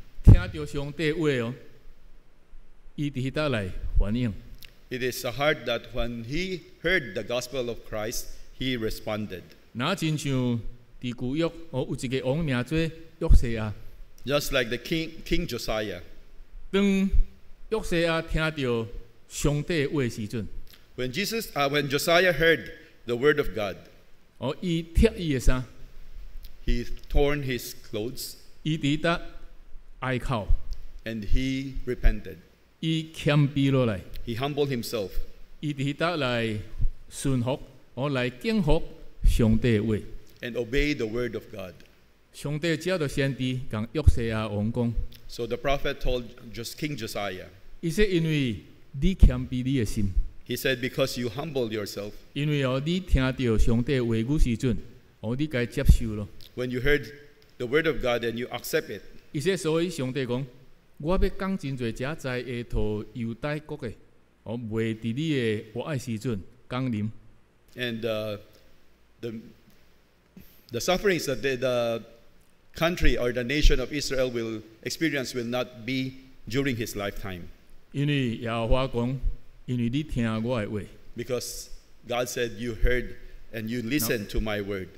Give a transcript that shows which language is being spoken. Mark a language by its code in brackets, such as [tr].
[nan] 听到上帝的话哦，伊伫迄搭来反应。 [en] It is a heart that when he heard the gospel of Christ, he responded. [nan] 那亲像伫旧约哦，有一个王名做约瑟亚。 [en] Just like the King Josiah. [nan] 当约瑟亚听到上帝话时阵 [en] When Josiah heard the word of God, [nan] 哦，伊脱伊个衫 [en] ，He torn his clothes. [nan] 伊伫搭哀哭 [en] ，And he repented. [nan] 伊谦卑落来 [en] ，He humbled himself. [nan] 伊伫搭来顺服，哦，来敬服上帝话 [en] ，And obey the word of God. [nan] 上帝只要着先知讲约瑟亚王讲。 [en] So the prophet told just King Josiah. He said, [nan] 因为你谦卑你的心。 [en] He said, because you humbled yourself. [nan] 因为哦，你听到上帝话语时阵，哦，你该接受咯。 [en] When you heard the word of God and you accept it. [nan] 伊说，所以上帝讲，我要讲真侪遮在下头犹太国的，哦，未伫你的活爱时阵降临。 [en] And the sufferings that the country or the nation of Israel will experience will not be during his lifetime. Because God said, you heard and you listened to my word.